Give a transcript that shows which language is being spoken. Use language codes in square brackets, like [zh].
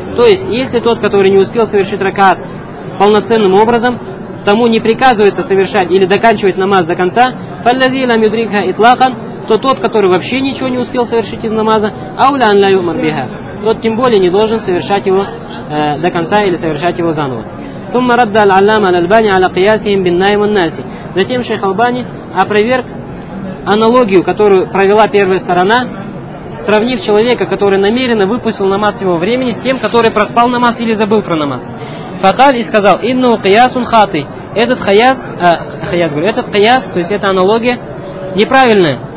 [ru] То есть, если тот, который не успел совершить ракаат полноценным образом, тому не приказывается совершать или доканчивать намаз до конца, [ar] фаллази лям юдрика итлакан, [ru] то тот, который вообще ничего не успел совершить из намаза, [ar] ауля ан ля юмар биха, [ru] тот тем более не должен совершать его до конца или совершать его заново. [ar] ثم رد العلامة الألباني على قياسهم بالنائم والناس. [ru] Затем шейх аль-Албани опроверг аналогию, которую провела первая сторона, сравнив человека, который намеренно выпустил намаз его времени, с тем, который проспал намаз или забыл про намаз. Факаль и сказал: [ar] «Инну каясун хаты». [ru] Этот хаяс, этот каяс, то есть эта аналогия, неправильная.